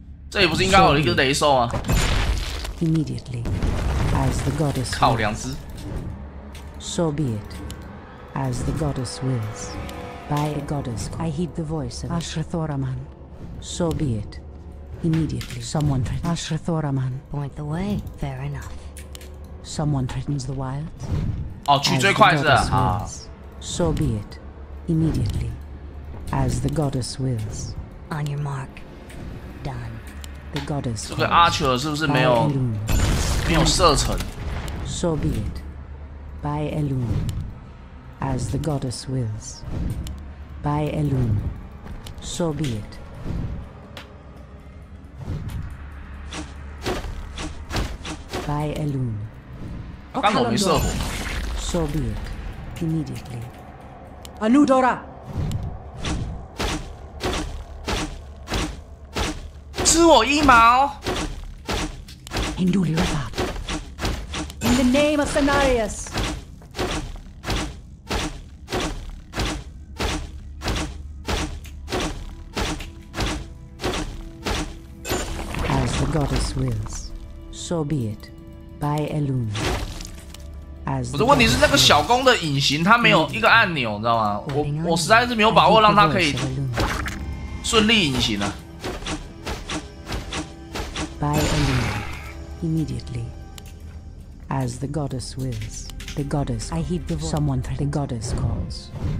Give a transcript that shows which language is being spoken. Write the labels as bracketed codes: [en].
[zh] 这也不是应该有一个雷兽吗？ [en] Immediately, as the goddess wills. [zh] 靠两只。 [en] So be it, as the goddess wills. By the goddess, I heed the voice of Ashra Thoraman. So be it. Immediately, someone threatens Ashra Thoraman. Point the way. Fair enough. Someone threatens the wild. [zh] 哦，去最快是啊。 [en] So be it. Immediately, as the goddess wills. On your mark. Done. The goddess [zh] 这个阿丘尔是不是没有射程 [en] ？So be it, by Elune, as the goddess wills. By Elune, so be it. By Elune. [zh] 刚好没射火。 [en] So be it, immediately. Anudora. [zh] 吃我一毛 [en] Hinduli Rafa In the name of Cenarius As the goddess wills So be it By Elune [zh] 不是，问题是那个小宫的隐形它没有一个按钮，你知道吗？我实在是没有把握让它可以顺利隐形啊。 [en] By Elune, immediately, as the goddess wills. The goddess. I heed the voice. Someone. The goddess calls.